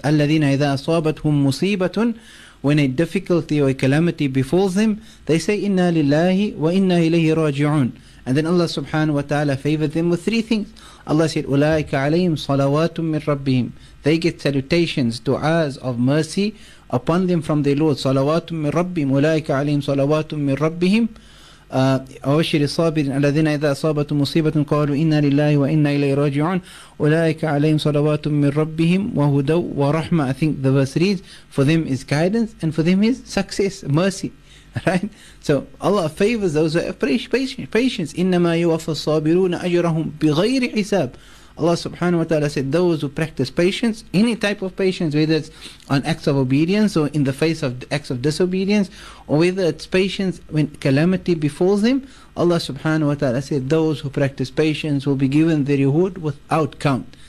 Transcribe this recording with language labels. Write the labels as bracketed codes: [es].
[ar] الَّذِينَ إِذَا أَصَابَتْهُمْ مُصِيبَةٌ, [en] when a difficulty or a calamity befalls them, they say, [ar] إِنَّا لِلَّهِ وَإِنَّا إِلَيْهِ رَاجِعُونَ. [en] And then Allah subhanahu wa ta'ala favored them with three things. Allah said, [ar] أُولَٰئِكَ عَلَيْهِمْ صَلَوَاتٌ مِّن رَبِّهِمْ, [en] they get salutations, du'as of mercy upon them from their Lord. [ar] صَلَوَاتٌ مِّن رَبِّهِمْ, أُولَٰئِكَ عَلَيْهِمْ صَلَوَاتٌ مِّن رَبِّهِمْ. أَوَشِّرِ الصَّابِرِينَ الَّذِينَ إِذَا أَصَابَتْهُمْ مُصِيبَةٌ قَالُوا إِنَّا لِلَّهِ وَإِنَّا إِلَيْهِ رَاجِعُونَ أُولَٰئِكَ عَلَيْهِمْ صَلَوَاتٌ مِّن رَّبِّهِمْ وَهُدًى وَرَحْمَةٌ. [en] I think the verse reads, for them is guidance and for them is success, mercy. Right? So Allah favors those who have patience. [ar] إِنَّمَا يُوَفَّى الصَّابِرُونَ أَجْرَهُمْ بِغَيْرِ حِسَابٍ. [en] Allah subhanahu wa ta'ala said, those who practice patience, any type of patience, whether it's on acts of obedience or in the face of acts of disobedience, or whether it's patience when calamity befalls them, Allah subhanahu wa ta'ala said, those who practice patience will be given the reward without count.